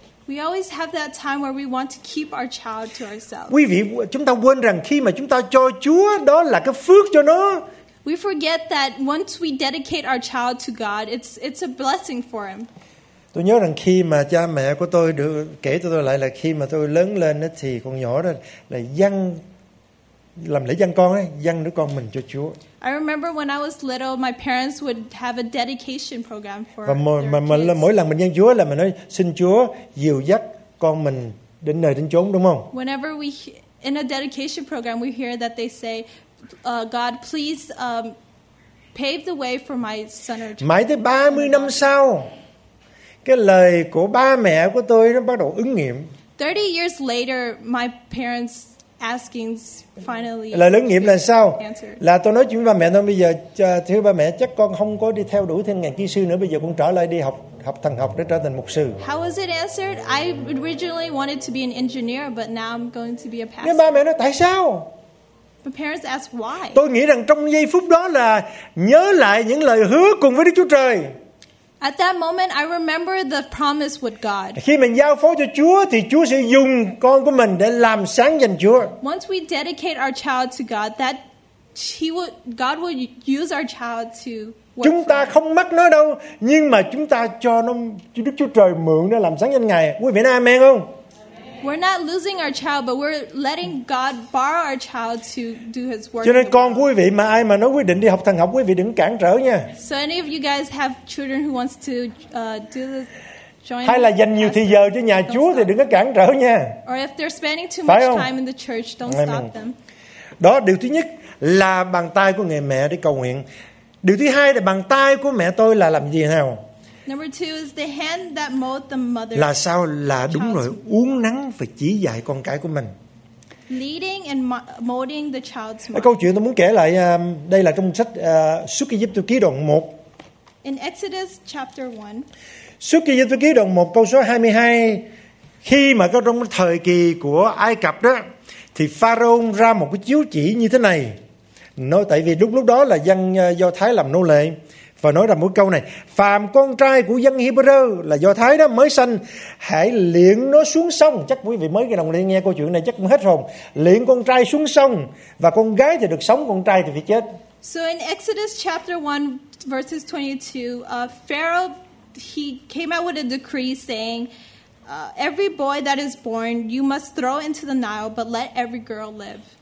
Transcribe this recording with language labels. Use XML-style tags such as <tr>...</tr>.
<en>We always have that time where we want to keep our child to ourselves.</en> <vi>Quý vị, chúng ta quên rằng khi mà chúng ta cho Chúa, đó là cái phước cho nó.</vi> <en>We forget that once we dedicate our child to God, it's a blessing for him.</en> <vi>Tôi nhớ rằng khi mà cha mẹ của tôi được kể cho tôi lại là khi mà tôi lớn lên thì con nhỏ đó là dâng, làm lễ dâng con ấy, dâng đứa con mình cho Chúa.</vi> <en>I remember when I was little, my parents would have a dedication program for.</en> <vi>Và mỗi lần mình dâng Chúa là mình nói xin Chúa dìu dắt con mình đến nơi đến chốn, đúng không?</vi> <en>Whenever we in a dedication program, we hear that they say, God, please pave the way for my son or child.</en> <vi>Mãi tới 30 năm sau, cái lời của ba mẹ của tôi nó bắt đầu ứng nghiệm.</vi> <en>30 years later, my parents asking finally.</en> <vi>Lời ứng nghiệm là sao? Là tôi nói chuyện với ba mẹ thôi, bây giờ thưa ba mẹ, chắc con không có đi theo đuổi thêm ngàn kỹ sư nữa, bây giờ con trở lại đi học thần học để trở thành mục sư.</vi> <en>How was it answered? I originally wanted to be an engineer, but now I'm going to be a pastor.</en> <vi>Nên ba mẹ nói tại sao?</vi> <en>My parents asked why.</en> <vi>Tôi nghĩ rằng trong giây phút đó là nhớ lại những lời hứa cùng với Đức Chúa Trời.</vi> <en>At that moment, I remember the promise with God.</en> <vi>Khi mình giao phó cho Chúa, thì Chúa sẽ dùng con của mình để làm sáng danh Chúa.</vi> <en>Once we dedicate our child to God, that God will use our child to work.</en> <vi>Chúng ta không mất nó đâu, nhưng mà chúng ta cho nó Đức Chúa Trời mượn để làm sáng danh Ngài. Quý vị nói amen không?</vi> <en>We're not losing our child, but we're letting God borrow our child to do His work.</en> <vi>Cho nên con quý vị mà ai mà nói quyết định đi học thần học, quý vị đừng cản trở nha.</vi> <en>So any of you guys have children who wants to do this, join.</en> <vi>Hay là dành nhiều thời giờ cho nhà Chúa thì đừng có cản trở nha.</vi> <en>Or if they're spending too much time in the church, don't stop them.</en> <vi>Đó, điều thứ nhất là bàn tay của người mẹ để cầu nguyện. Điều thứ hai là bàn tay của mẹ tôi là làm gì nào?</vi> <en>Number two is the hand that mold the mother.</en> <vi>Là sao? Là đúng rồi, uốn nắn và chỉ dạy con cái của mình.</vi> <en>Leading and molding the child's mind.</en> <vi>Câu chuyện tôi muốn kể lại đây là trong sách Xuất Ký Ký đoạn 1.</vi> <en>In Exodus chapter 1.</en> <vi>Xuất Ký Ký đoạn 1 câu số 22. Khi mà có trong thời kỳ của Ai Cập đó thì Pharaoh ra một cái chiếu chỉ như thế này. Nói tại vì lúc đó là dân Do Thái làm nô lệ. Và nói rằng một câu này, phàm con trai của dân Hebrew là Do Thái đó mới sanh, hãy liệng nó xuống sông. Chắc quý vị mới nghe đồng liên nghe câu chuyện này chắc cũng hết hồn. Liệng con trai xuống sông, và con gái thì được sống, con trai thì phải chết.</vi> <en>So in Exodus chapter 1 verses 22, Pharaoh, he came out with a decree saying, every boy that is born, you must throw into the Nile, but let every girl live.</en>